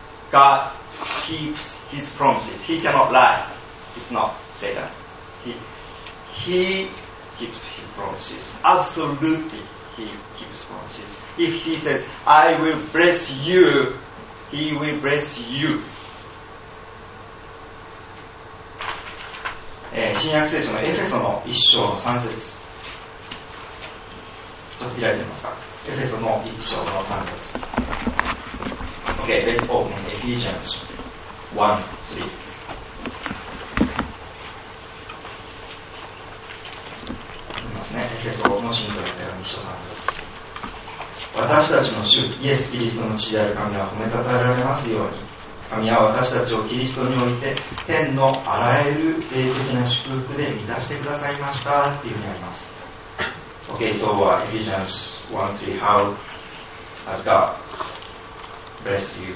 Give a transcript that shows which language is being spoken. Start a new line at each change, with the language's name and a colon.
English: God keeps his promises. He cannot lie. It's not Satan. He keeps his promises. Absolutely, he keeps promises. If he says, I will bless you, he will bless you.
Japanese: 新約聖書のエフェソの一章の三節。ちょっと開いてみますか。エフェソの1章の3節。
English: Okay, let's open Ephesians 1:3.
Japanese: いますね。エフェソの信徒の1章3節。私たちの主、イエス・キリストの血である神は褒めたたえられますように、神は私たちをキリストにおいて、天のあらゆる霊的な祝福で満たしてくださいました、っていうふうにあります。
English: Okay, so Ephesians 1:3, how has God blessed you?